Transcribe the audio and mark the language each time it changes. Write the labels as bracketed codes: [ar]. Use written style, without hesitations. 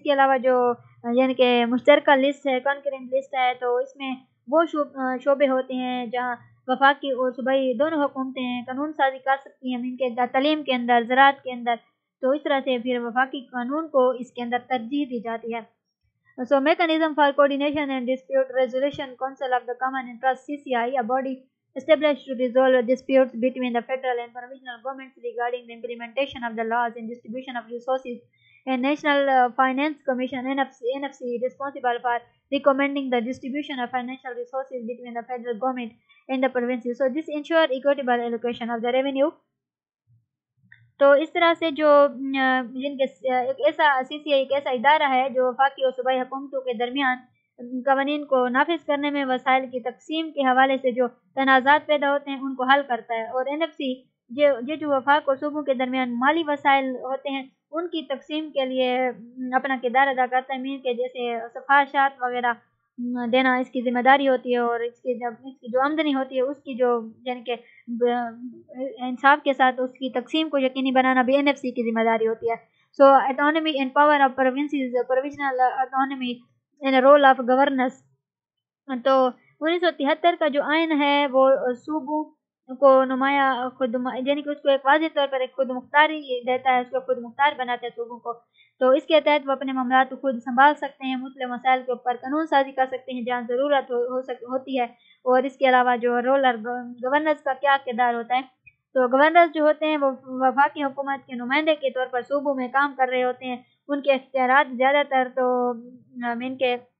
[ur] اس کے علاوہ جو یعنی کہ مشترکہ لسٹ ہے, کنکرنٹ لسٹ ہے, تو اس میں وہ شعبے ہوتے ہیں جہاں وفاقی اور صوبائی دونوں حکومتیں قانون سازی کر سکتی ہیں, ان کے تعلیم کے اندر, زراعت کے اندر, تو اس طرح سے پھر وفاقی قانون کو اس کے اندر ترجیح دی جاتی ہے. [en] So mechanism for coordination and dispute resolution council of the common interest, C C I, a body establish to resolve disputes between the federal and provisional governments regarding the implementation of the laws and distribution of resources, and national finance commission NFC responsible for recommending the distribution of financial resources between the federal government and the provinces, so this ensure equitable allocation of the revenue. [ur] تو اس طرح سے جو جن کے ایک ایسا سی سی آئی ایک ایسا ادارہ ہے جو وفاقی اور صوبائی حکومتوں کے درمیان قوانین کو نافذ کرنے میں وسائل کی تقسیم کے حوالے سے جو تنازعات پیدا ہوتے ہیں ان کو حل کرتا ہے, اور NFC جو وفاق اور صوبوں کے درمیان مالی وسائل ہوتے ہیں ان کی تقسیم کے لیے اپنا کردار ادا کرتا ہے, مین کے جیسے سفارشات وغیرہ دینا اس کی ذمہ داری ہوتی ہے, اور اس کی جو آمدنی ہوتی ہے اس کی جو یعنی کہ انصاف کے ساتھ اس کی تقسیم کو یقینی بنانا بھی NFC کی ذمہ داری ہوتی ہے. [en] So autonomy and power of provinces, provisional autonomy and rule of governance. [ur] تو 1973 کا جو آئین ہے وہ صوبوں کو نمایاں خود یعنی کہ اس کو ایک واضح طور پر ایک خود مختاری دیتا ہے, اس کو خود مختار بناتا ہے صوبوں کو, تو اس کے تحت وہ اپنے معاملات کو خود سنبھال سکتے ہیں, مختلف مسائل کے اوپر قانون سازی کر سکتے ہیں جہاں ضرورت ہوتی ہے, اور اس کے علاوہ جو رول اور گورننس کا کیا کردار ہوتا ہے, تو گورننس جو ہوتے ہیں وہ وفاقی حکومت کے نمائندے کے طور پر صوبوں میں کام کر رہے ہوتے ہیں, ان کے اختیارات زیادہ تر تو ان کے